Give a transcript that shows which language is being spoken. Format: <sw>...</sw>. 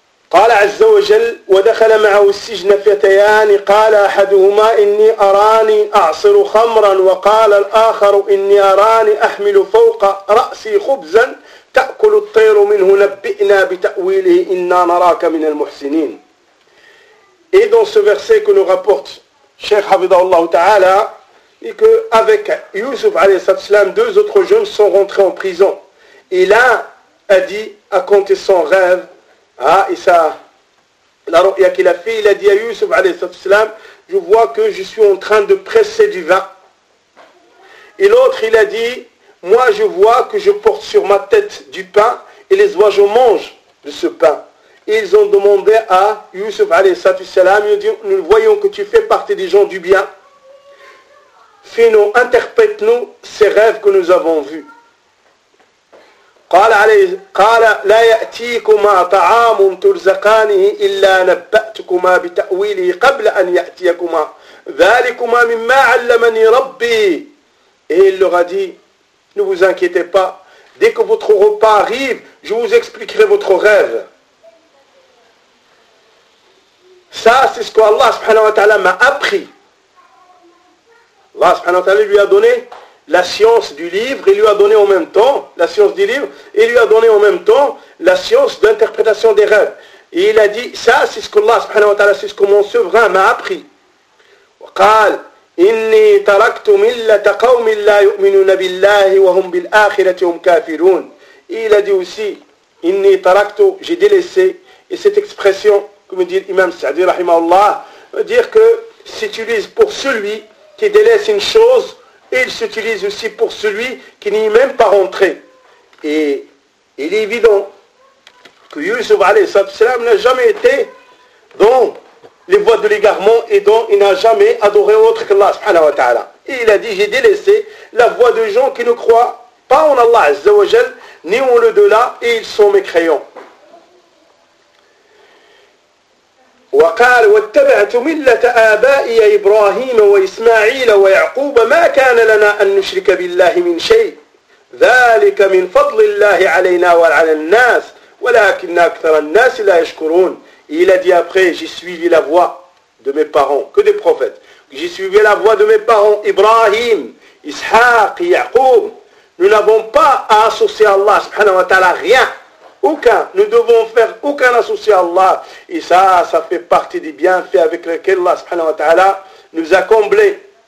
<ar>قال عز وجل ودخل معه السجن فتيان قال أحدهما إني أراني أعصر خمرا وقال الآخر إني أراني أحمل فوق رأسي خبزا تأكل الطير منه نبئنا بتأويله إنا نراك من المحسنين.</ar> <fr>Et dans ce verset que nous rapporte Cheikh Hafidhahu Allah Ta'ala, et que avec Yusuf alayhi salatu wasalam, deux autres jeunes sont rentrés en prison. Et là, a dit, a conté son rêve. Ah, et ça, la ru'ya qu'il a fait, il a dit à Yusuf alayhi salam, je vois que je suis en train de presser du vin. Et l'autre, il a dit, moi je vois que je porte sur ma tête du pain et les oiseaux mangent de ce pain. Et ils ont demandé à Yusuf alayhi salam, ils ont dit, nous voyons que tu fais partie des gens du bien. Fais-nous, interprète-nous ces rêves que nous avons vus.</fr> <ar>قال لا يأتيكما طعام ترزقانه إلا نبأتكما بتأويله قبل أن يأتيكما ذلكما مما علمني ربي.</ar> <fr>Et il leur a dit, ne vous inquiétez pas, dès que votre repas arrive, je vous expliquerai votre rêve. Ça, c'est ce qu'Allah subhanahu wa ta'ala m'a appris. Allah subhanahu wa ta'ala lui a donné la science du livre, il lui a donné en même temps, la science du livre, il lui a donné en même temps la science d'interprétation des rêves. Et il a dit, ça c'est ce que Allah subhanahu wa ta'ala, c'est ce que mon souverain m'a appris.</fr> <ar>وقال, إني تركت ملة قوم لا يؤمنون بالله وهم بالآخرة هم كافرون.</ar> <fr>Et il a dit aussi,</fr> <ar>إني تركت,</ar> <fr>j'ai délaissé. Et cette expression, comme dit l'imam Sa'di rahimahullah, veut dire que c'est utilisé pour celui qui délaisse une chose, et il s'utilise aussi pour celui qui n'y est même pas rentré. Et il est évident que Yusuf alayhi salam n'a jamais été dans les voies de l'égarement et dont il n'a jamais adoré autre qu'Allah subhanahu wa ta'ala. Et il a dit, j'ai délaissé la voie de gens qui ne croient pas en Allah azza wa jal, ni en le delà, et ils sont mécréants.</fr> <ar>وقال واتبعت ملة آبائي إبراهيم وإسماعيل ويعقوب ما كان لنا أن نشرك بالله من شيء ذلك من فضل الله علينا وعلى الناس ولكن أكثر الناس لا يشكرون.</ar> <fr>Il a dit après, j'ai suivi la voix de mes parents, que des prophètes. J'ai suivi la voix de mes parents, Ibrahim, Ishaq, Yaqub. Nous n'avons pas à associer Allah, subhanahu wa ta'ala, rien. Aucun. Nous devons faire aucun associé à Allah. Et ça, ça fait partie des bienfaits avec lesquels Allah, subhanahu wa ta'ala, nous a comblés.</fr>